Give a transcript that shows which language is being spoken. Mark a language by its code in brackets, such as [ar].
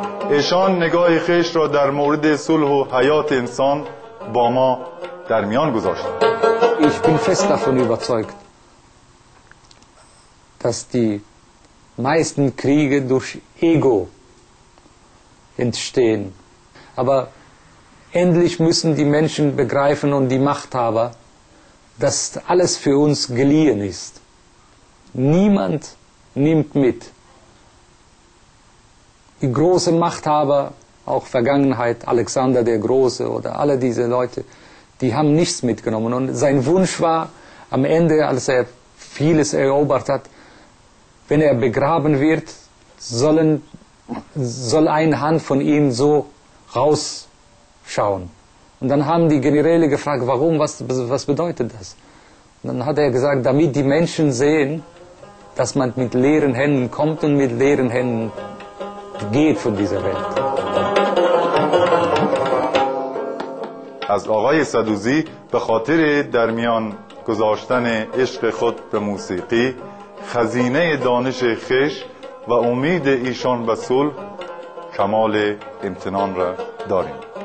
[fa] ایشان نگاه خیش را در مورد صلح و حیات انسان با ما در میان گذاشت. [de] Ich bin fest davon überzeugt, dass die meisten Kriege durch Ego entstehen. Aber endlich müssen die Menschen begreifen und die Machthaber, dass alles für uns geliehen ist. Niemand nimmt mit. Die großen Machthaber, auch Vergangenheit, Alexander der Große oder alle diese Leute, die haben nichts mitgenommen. Und sein Wunsch war, am Ende, als er vieles erobert hat, wenn er begraben wird, soll eine Hand von ihm so rausschauen. Und dann haben die Generäle gefragt, warum, was bedeutet das? Und dann hat er gesagt, damit die Menschen sehen, dass man mit leeren Händen kommt und mit leeren Händen geht von dieser Welt. [fa] از آقای صدوزی به خاطر در میان گذاشتن عشق خود به موسیقی خزینه دانش خیش و امید ایشان به صلح کمال امتنان را داریم.